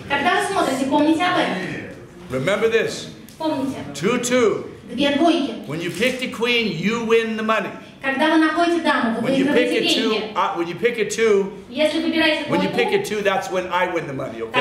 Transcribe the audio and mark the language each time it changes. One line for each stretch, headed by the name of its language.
Russian: Когда вы смотрите, помните об этом.
English: Remember this.
Russian: Помните.
English: Two, two.
Russian: Две двойки.
English: When you pick the queen, you win the money.
Russian: Когда вы находите даму, вы выигрываете деньги.
English: When you pick a two,
Russian: если вы выбираете двойку,
English: when you pick a two, that's when I win the money, okay?